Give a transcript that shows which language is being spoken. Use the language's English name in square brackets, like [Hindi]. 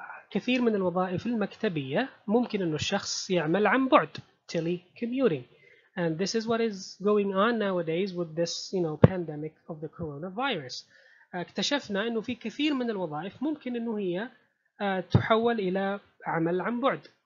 [Arabic] كثير من الوظائف المكتبية ممكن انه الشخص يعمل عن بعد, telecommuting. [English] And this is what is going on nowadays with this, you know, pandemic of the coronavirus. [Arabic] اكتشفنا انه في كثير من الوظائف ممكن انه هي تحول إلى عمل عن بعد.